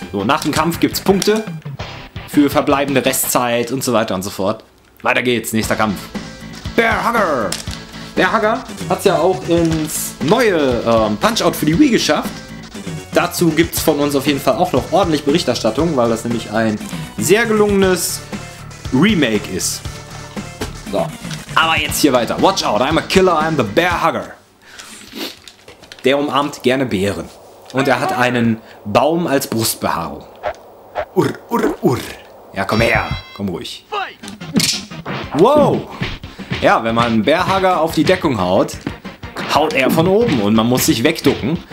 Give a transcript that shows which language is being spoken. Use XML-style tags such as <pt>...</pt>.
<de>So, nach dem Kampf gibt es Punkte für verbleibende Restzeit und so weiter und so fort. Weiter geht's, nächster Kampf. Bear Hugger hat es ja auch ins neue Punch-Out für die Wii geschafft. Dazu gibt es von uns auf jeden Fall auch noch ordentlich Berichterstattung, weil das nämlich ein sehr gelungenes Remake ist. So. Aber jetzt hier weiter.</de> <en>Watch out, I'm a killer, I'm the bear hugger.</en> <de>Der umarmt gerne Bären. Und er hat einen Baum als Brustbehaarung. Urr, urr, urr. Ja, komm her. Komm ruhig. Wow. Ja, wenn man einen bear hugger auf die Deckung haut, haut er von oben und man muss sich wegducken.</de>